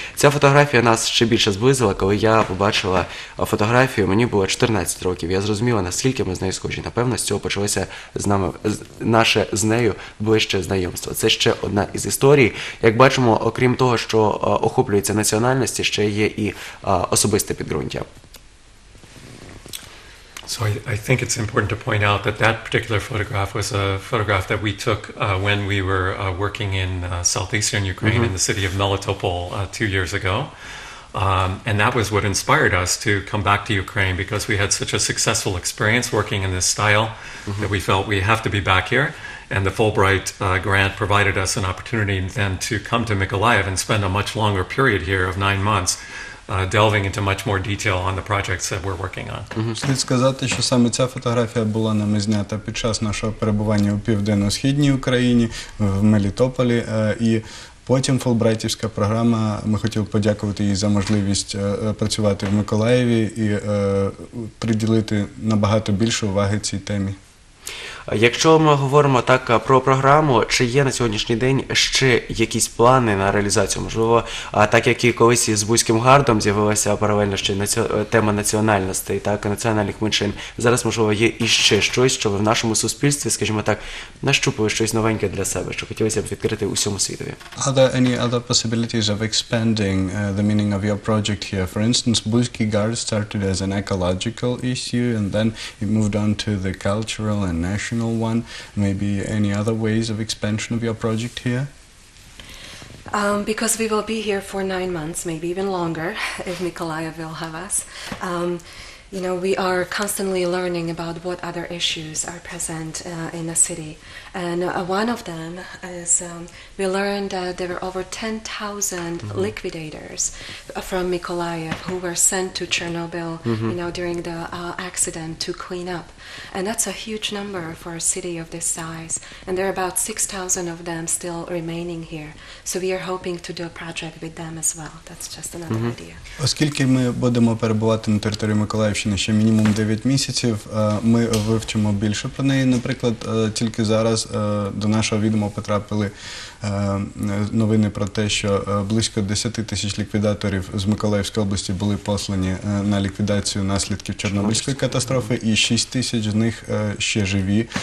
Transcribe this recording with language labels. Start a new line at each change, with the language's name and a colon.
Ukrainian: Ця фотографія нас ще більше зблизила. Коли я побачила фотографію, мені було 14 років. Я зрозуміла, наскільки ми з нею схожі. Напевно, з цього почалося наше з нею ближче знайомство. Це ще одна із історій. Як бачимо, окрім того, що охоплюється національності, ще є і особисте підґрунтя.
English: So I think it's important to point out that that particular photograph was a photograph that we took when we were working in southeastern Ukraine, mm-hmm. in the city of Melitopol 2 years ago. And that was what inspired us to come back to Ukraine, because we had such a successful experience working in this style, mm-hmm. that we felt we have to be back here. And the Fulbright grant provided us an opportunity then to come to Miколаїв and spend a much longer period here of 9 months, delving into much more detail on the projects that we're working on.
Ukrainian: Слід сказати, що саме ця фотографія була нами знята під час нашого перебування у південно-східній Україні, в Мелітополі, і потім Фулбрайтівська програма, ми хотіли подякувати їй за можливість працювати в Миколаєві і приділити набагато більше уваги цій темі. Якщо ми говоримо так про програму, чи є на сьогоднішній день ще якісь плани на реалізацію? Можливо, так як і колись із Бузьким Гардом з'явилася паралельно ще тема національностей, так, національних меншин, зараз, можливо, є іще щось, що ви в нашому суспільстві, скажімо так, нащупили щось новеньке для себе, що хотілося б відкрити усьому світові.
English: Are there any other possibilities of expanding the meaning of your project here? For instance, Бузький Гард started as an ecological issue, and then it moved on to the cultural and national. One, maybe any other ways of expansion of your project here? Because we will be here for 9 months, maybe even longer, if Miколаїв will have us. You know, we are constantly learning about what other issues are present in the city. And one of them is we learned that there were over 10,000 mm-hmm. liquidators from Miколаїв who were sent to Chernobyl, mm-hmm. you know, during the accident to clean up. And that's a huge number for a city of this size. And there are about 6,000 of them still remaining here. So we are hoping to do a project with them as well. That's just another mm-hmm. idea.
Ukrainian: Оскільки ми будемо перебувати на території Миколаїв ще мінімум 9 місяців, ми вивчимо більше про неї. Наприклад, тільки зараз до нашого відома потрапили новини про те, що близько 10 тисяч ліквідаторів з Миколаївської області були послані на ліквідацію наслідків Чорнобильської катастрофи, і 6 тисяч з них ще живі.